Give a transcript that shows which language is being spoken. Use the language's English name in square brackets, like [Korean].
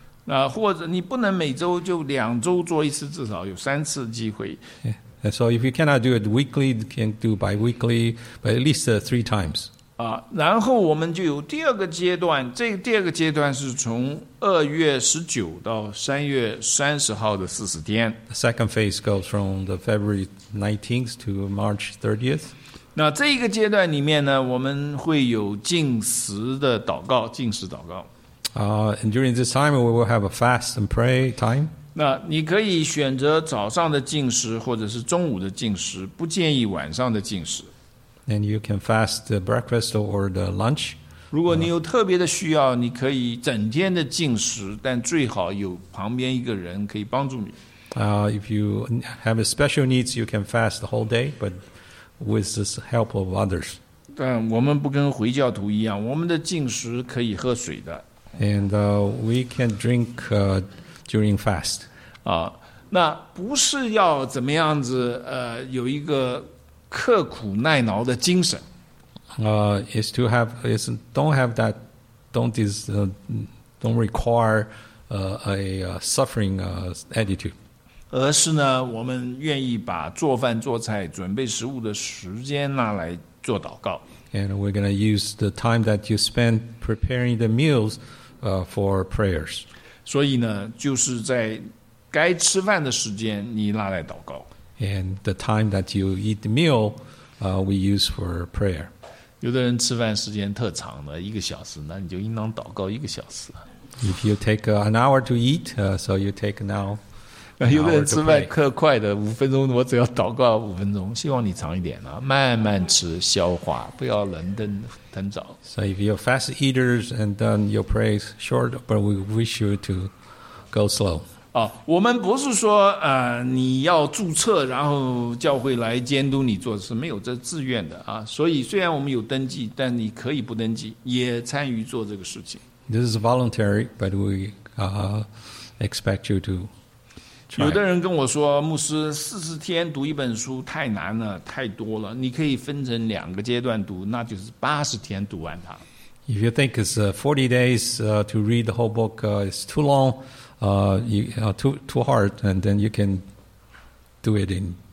[Chinese] 那或者你不能每周就两周做一次，至少有三次机会。 [English] Yeah. So if you cannot do it weekly, you can do bi-weekly, but at least three times. [Chinese] 然后我们就有第二个阶段，这个第二个阶段是从2月19到3月30号的40天。 [English] The second phase goes from the February 19th to March 30th. [Chinese] 那这一个阶段里面呢，我们会有禁食的祷告，禁食祷告。 [English] And during this time, we will have a fast and pray time. [Chinese] 那你可以选择早上的禁食或者是中午的禁食，不建议晚上的禁食。 [English] And you can fast the breakfast or the lunch. [Chinese] 如果你有特别的需要，你可以整天的禁食，但最好有旁边一个人可以帮助你。 [English] If you have a special needs, you can fast the whole day, but with the help of others. [Chinese] 但我们不跟回教徒一样，我们的禁食可以喝水的。 [English] And we can drink during fast. [Chinese] 那不是要怎么样子？有一个刻苦耐劳的精神。 [English] Is to have, is don't have that, don't is, don't require, a suffering, attitude. [Chinese] 而是呢，我们愿意把做饭、做菜、准备食物的时间拿来做祷告。 [English] And we're going to use the time that you spend preparing the meals, for prayers. [Chinese] 所以呢，就是在该吃饭的时间，你拿来祷告。 [English] And the time that you eat the meal, we use for prayer. [Chinese] 有的人吃饭时间特长的，一个小时，那你就应当祷告一个小时。 [English] If you take an hour to eat, so you take now. [Chinese] 有的人吃饭特快的，五分钟我只要祷告五分钟，希望你长一点啊，慢慢吃消化，不要冷的很早。 [English] So if you're fast eaters and then you pray short, but we wish you to go slow. [Chinese] 我们不是说你要注册然后教会来监督你做，是没有这自愿的啊。所以虽然我们有登记，但你可以不登记也参与做这个事情。 [English] This is voluntary, but we expect you to try. [Chinese] 有的人跟我说，牧师，40天读一本书太难了，太多了，你可以分成两个阶段读，那就是80天读完它。 [English] If you think it's 40 days to read the whole book is too long,too hard, and then you can do it in 80 days.